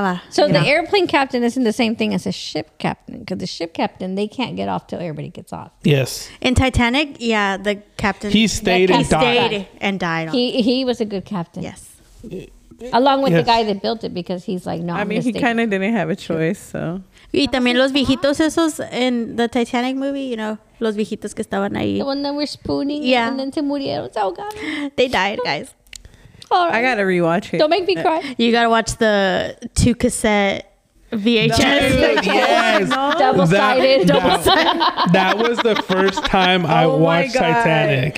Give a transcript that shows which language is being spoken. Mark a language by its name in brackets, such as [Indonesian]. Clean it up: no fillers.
[Spanish] So the airplane captain isn't the same thing as a ship captain because the ship captain they can't get off till everybody gets off. Yes. In Titanic, yeah, the captain he stayed and died. He was a good captain. Yes. Along with the guy that built it, because he's like, no, I mean, he kind of didn't have a choice, so. Y también los viejitos esos [English] in the Titanic movie, you know, [Spanish] los viejitos que estaban ahí. [English] The one that were spooning. Yeah. And then [Spanish] se murieron, se ahogaron. [English] They died, guys. All right. I gotta rewatch it. Don't make me cry. You gotta watch the two cassette VHS. Double-sided. That was the first time I watched Titanic.